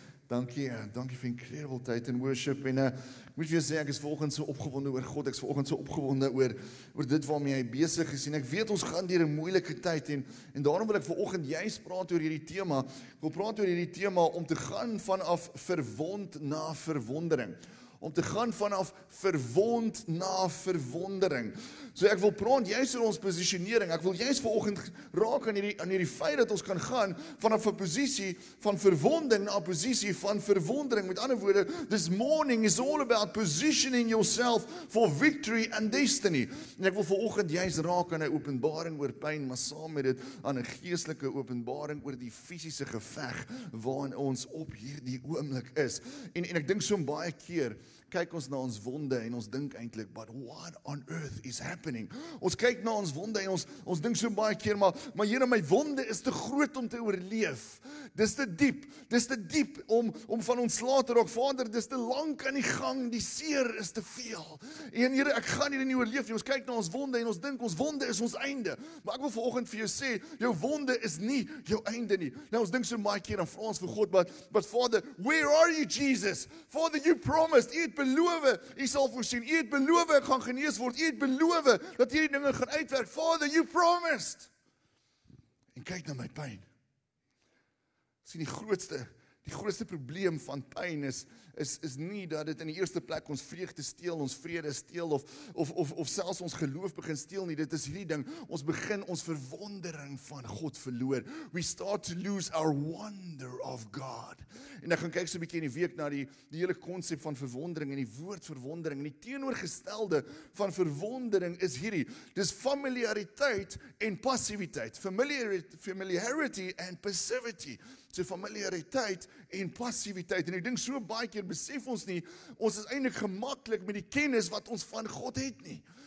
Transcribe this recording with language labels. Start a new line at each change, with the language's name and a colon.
Afrikaans: Dankie vir incredible tyd in worship. En ek moet vir sê, ek is vanoggend so opgewonde oor God, ek is vanoggend so opgewonde oor dit waarmee hy besig is. En ek weet ons gaan deur 'n moeilike tyd en daarom wil ek vanoggend juist praat oor hierdie tema. Ek wil praat oor hierdie tema om te gaan vanaf verwond na verwondering. Om te gaan vanaf verwond na verwondering. So ek wil praat juist oor ons positionering. Ek wil juist vanoggend raak aan hierdie feit dat ons kan gaan vanaf 'n posisie van verwonding na 'n posisie van verwondering. Met ander woorde,
English: this morning is all about positioning yourself for victory and destiny.
Afrikaans: En ek wil vanoggend juist raak aan 'n openbaring oor pyn, maar saam met dit aan 'n geestelike openbaring oor die fisiese geveg waarin ons op hierdie oomblik is. En ek dink so baie keer kyk ons na ons wonde en ons dink eintlik,
English: but what on earth is happening?
Afrikaans: Ons kyk na ons wonde en ons dink so baie keer, maar Here, my wonde is te groot om te oorleef. Dis te diep om van ontslae te raak. Vader, dis te lank aan die gang, die seer is te veel. En Here, ek gaan hier nie oorleef nie. Ons kyk na ons wonde en ons dink ons wonde is ons einde. Maar ek wil vanoggend vir jou sê, jou wonde is nie jou einde nie. Nou ons dink so baie keer en vra ons vir God,
English: but Father, where are you Jesus? Father, you promised, you
Afrikaans: belowe, u sal voorsien, u het belowe ek gaan genees word, u het belowe dat hierdie dinge gaan uitwerk,
English: Father, you promised.
Afrikaans: En kyk na my pyn. Sien, die grootste probleem van pyn is nie dat dit in die eerste plek ons vreugde steel, ons vrede steel, of selfs ons geloof begin steel nie, dit is hierdie ding, ons begin ons verwondering van God verloor.
English: We start to lose our wonder of God.
Afrikaans: En ek gaan kyk so 'n bietjie in die week na die hele konsep van verwondering, en die woord verwondering, en die teenoorgestelde van verwondering is hierdie, dis familiariteit en passiviteit,
English: familiarity and passivity,
Afrikaans: so familiariteit en passiviteit, en ek dink so baie keer besef ons nie, ons is eintlik gemaklik met die kennis wat ons van God het nie.